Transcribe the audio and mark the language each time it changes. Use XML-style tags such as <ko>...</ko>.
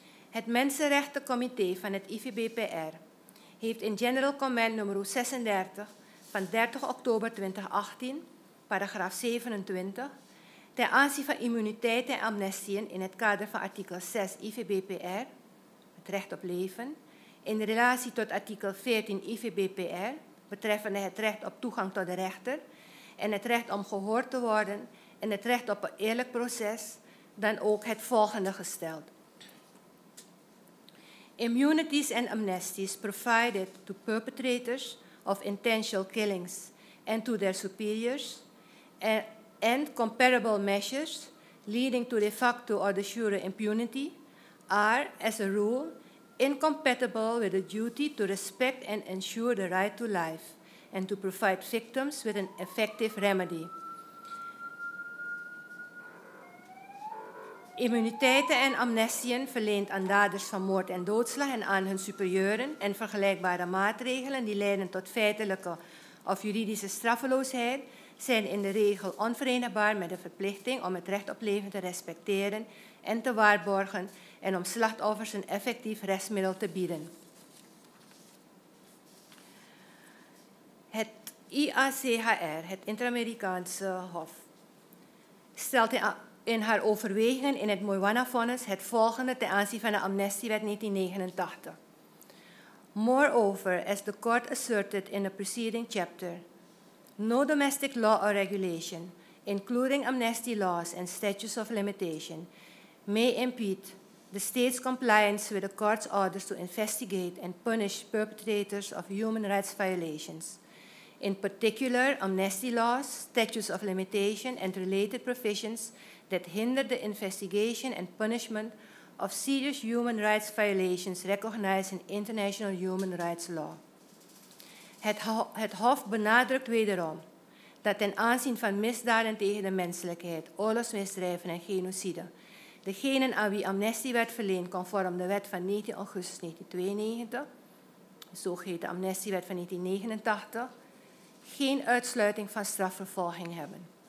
<nl>Het Mensenrechtencomité van het IVBPR heeft in General Comment nummer 36 van 30 oktober 2018, paragraaf 27, ten aanzien van immuniteit en amnestieën in het kader van artikel 6 IVBPR, het recht op leven, in relatie tot artikel 14 IVBPR, betreffende het recht op toegang tot de rechter en het recht om gehoord te worden en het recht op een eerlijk proces, dan ook het volgende gesteld.</nl> <en>Immunities and amnesties provided to perpetrators of intentional killings and to their superiors and comparable measures leading to de facto or de jure impunity are, as a rule, incompatible with the duty to respect and ensure the right to life and to provide victims with an effective remedy.</en> <nl>Immuniteiten en amnestieën verleend aan daders van moord en doodslag en aan hun superieuren en vergelijkbare maatregelen die leiden tot feitelijke of juridische straffeloosheid zijn in de regel onverenigbaar met de verplichting om het recht op leven te respecteren en te waarborgen en om slachtoffers een effectief rechtsmiddel te bieden. Het IACHR, het Inter-Amerikaanse Hof, stelt in haar overwegingen in het Moyawana-vonnis het volgende ten aanzien van de Amnestiewet 1989.</nl> <en>Moreover, as the court asserted in the preceding chapter, no domestic law or regulation, including amnesty laws and statutes of limitation, may impede the state's compliance with the court's orders to investigate and punish perpetrators of human rights violations. In particular, amnesty laws, statutes of limitation and related provisions that hinder the investigation and punishment of serious human rights violations recognized in international human rights law.</en> <nl>Het Hof benadrukt wederom dat ten aanzien van misdaden tegen de menselijkheid, oorlogsmisdrijven en genocide, degenen aan wie amnestie werd verleend conform de wet van 19 augustus 1992, de zogeheten amnestiewet van 1989, geen uitsluiting van strafvervolging hebben.</nl>